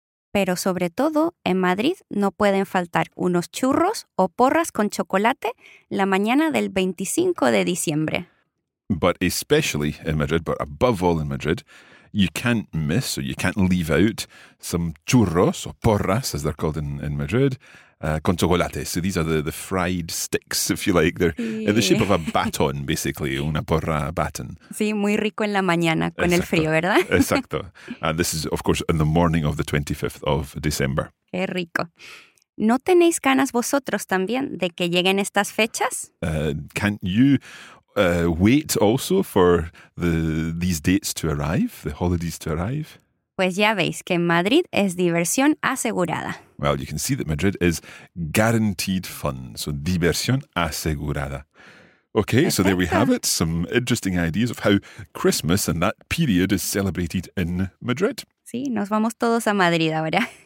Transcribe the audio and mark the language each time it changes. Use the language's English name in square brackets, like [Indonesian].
[Spanish] Pero sobre todo, en Madrid no pueden faltar unos churros o porras con chocolate la mañana del 25 de diciembre. [English] But especially in Madrid, but above all in Madrid, you can't miss or you can't leave out some churros or porras, as they're called in Madrid, [Spanish] con chocolate. [English] So these are the fried sticks, if you like. They're in the shape of a baton, basically, una porra baton. [Spanish] Sí, muy rico en la mañana, con Exacto. el frío, ¿verdad? Exacto. [English] And this is, of course, in the morning of the 25th of December. [Spanish] Qué rico. ¿No tenéis ganas vosotros también de que lleguen estas fechas? [English] Can't you... wait also for these dates to arrive, the holidays to arrive? [Spanish] Pues ya veis que Madrid es diversión asegurada. [English] Well, you can see that Madrid is guaranteed fun, so [Spanish] diversión asegurada. [English] Okay, so there we have it, some interesting ideas of how Christmas and that period is celebrated in Madrid. [Spanish] Sí, nos vamos todos a Madrid ahora.